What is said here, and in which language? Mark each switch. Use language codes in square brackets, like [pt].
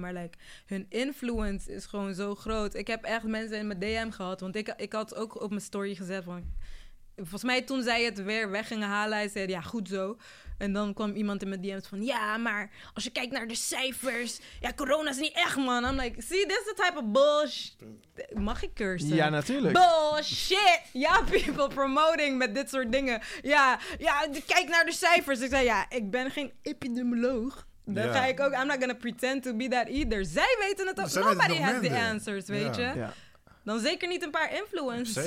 [nl] Maar like, hun influence is gewoon zo groot. Ik heb echt mensen in mijn DM gehad. Want ik had ook op mijn story gezet van... Volgens mij toen zij het weer weg gingen halen. Hij zei, ja, goed zo. En dan kwam iemand in mijn DM's van... Ja, maar als je kijkt naar de cijfers... Ja, corona is niet echt, man. [en] I'm like, see, this is the type of bullshit. [nl] Mag ik cursen? Ja, natuurlijk. [en] Bullshit. [nl] Ja, [en] people promoting [nl] met dit soort dingen. Ja, ja, kijk naar de cijfers. Ik zei, ja, ik ben geen epidemioloog. Dat ga ik ook. [en] I'm not gonna pretend to be that either. [nl] Zij weten het ook. Zij [en] nobody [nl] het [en] has the answers, [nl] weet je? Ja. Dan zeker niet een paar influencers.